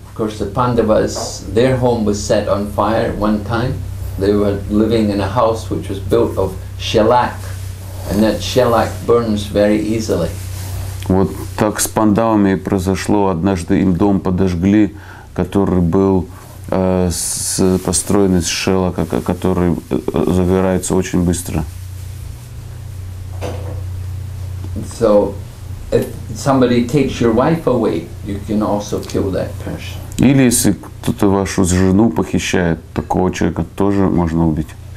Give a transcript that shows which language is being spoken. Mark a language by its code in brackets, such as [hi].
[en] Of course, the Pandavas, their home was set on fire one time. They were living in a house which was built of shellac, and that shellac burns very easily. [ru] Вот так с Пандавами произошло. Однажды им дом подожгли, который был построен из шеллака, который загорается очень быстро. [en] So, if somebody takes your wife away, you can also kill that person. [ru] Или если кто-то вашу жену похищает, такого человека тоже можно убить.